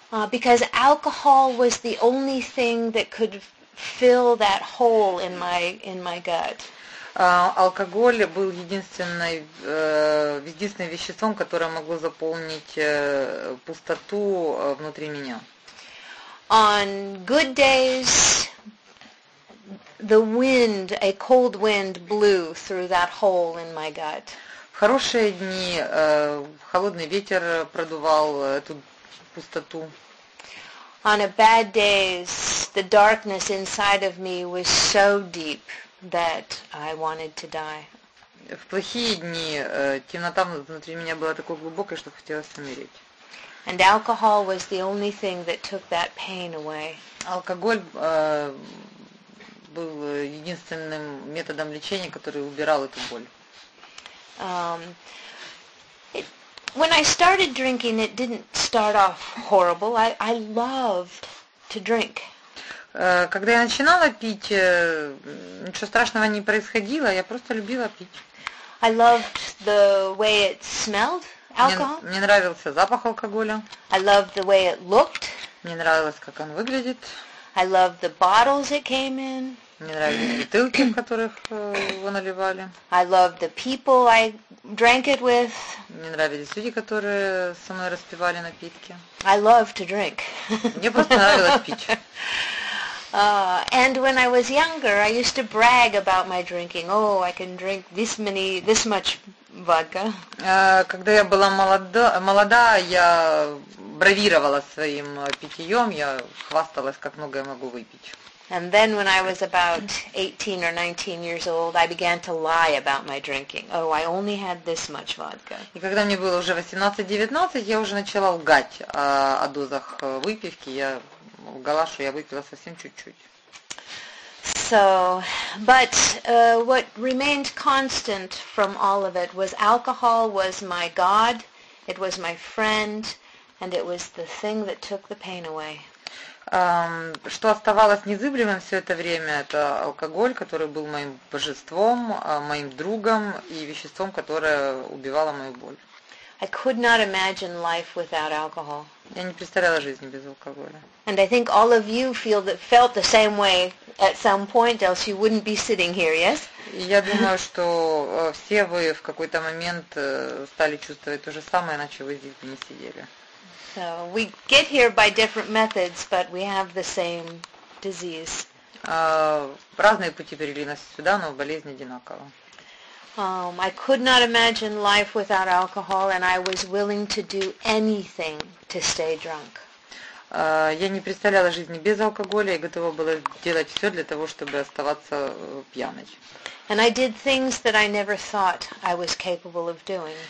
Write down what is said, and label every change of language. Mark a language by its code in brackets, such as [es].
[en] Because alcohol was the only thing that could fill that hole in my gut. [ru] Алкоголь был единственным веществом, которое могло заполнить пустоту внутри меня. [en] On good days, the wind, a cold wind, blew through that hole in my gut. [ru] В хорошие дни холодный ветер продувал эту пустоту. [en] On a bad days, the darkness inside of me was so deep that I wanted to die. [ru] В плохие дни темнота внутри меня была такой глубокой, что хотелось умереть. [en] And alcohol was the only thing that took that pain away. [ru] Алкоголь был единственным методом лечения, который убирал эту боль. [en] When I started drinking, it didn't start off horrible. I loved to drink. [ru] Когда я начинала пить, ничего страшного не происходило. Я просто любила пить. [en] I loved the way it smelled, alcohol. [ru] Мне нравился запах алкоголя. [en] I loved the way it looked. [ru] Мне нравилось, как он выглядит. [en] I loved the bottles it came in. [ru] Мне нравились бутылки, в которых его наливали. [en] I loved the people I drank it with. [ru] Мне нравились люди, которые со мной распивали напитки. [en] I loved to drink. [ru] Мне просто нравилось пить. [en] And when I was younger, I used to brag about my drinking. Oh, I can drink this much vodka. [ru] Когда я была молода, я бравировала своим питьем, я хвасталась, как много я могу выпить. [en] And then when I was about 18 or 19 years old, I began to lie about my drinking. Oh, I only had this much vodka. [ru] И когда мне было уже 18-19, я уже начала лгать о дозах выпивки. Я лгала, что я выпила совсем чуть-чуть. [en] So, but what remained constant from all of it was alcohol was my God, it was my friend, and it was the thing that took the pain away. [ru] Что оставалось незыблемым все это время, это алкоголь, который был моим божеством, моим другом и веществом, которое убивало мою боль. [en] I could not imagine life without alcohol. [ru] Я не представляла жизни без алкоголя. [en] And I think all of you felt the same way at some point, else you wouldn't be sitting here, yes? [ru] Я думаю, что все вы в какой-то момент стали чувствовать то же самое, иначе вы здесь бы не сидели. [en] So we get here by different methods, but we have the same disease. [ru] Разные пути привели нас сюда, но болезнь одинакова. [en] I could not imagine life without alcohol, and I was willing to do anything to stay drunk. [ru] Я не представляла жизни без алкоголя и готова была делать все для того, чтобы оставаться пьяной. [en] And I did things that I never thought I was capable of doing.